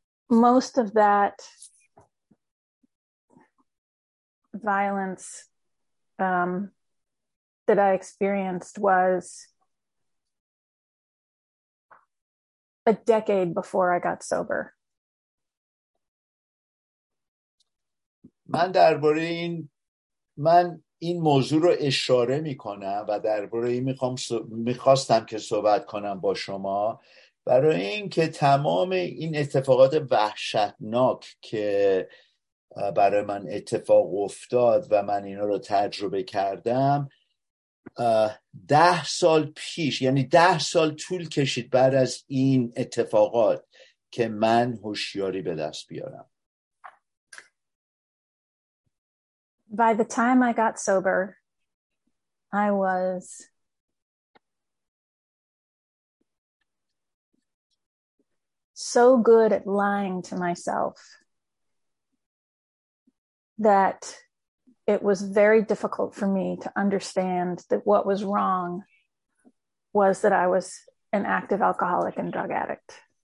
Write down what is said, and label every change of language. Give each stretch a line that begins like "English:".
English: most of that violence that I experienced was a decade before I got sober.
Persian: من درباره این من این موضوع رو اشاره میکنم و درباره این میخواستم که صحبت کنم با شما برای اینکه تمام این اتفاقات وحشتناک که برای من اتفاق افتاد و من اینا رو تجربه کردم 10 سال پیش، یعنی 10 سال طول کشید بعد از این اتفاقات که من هوشیاری به دست بیارم.
English: By the time I got sober, I was 10 good at lying to myself that it was very difficult for me to understand that what was wrong was that I was an active alcoholic and drug addict.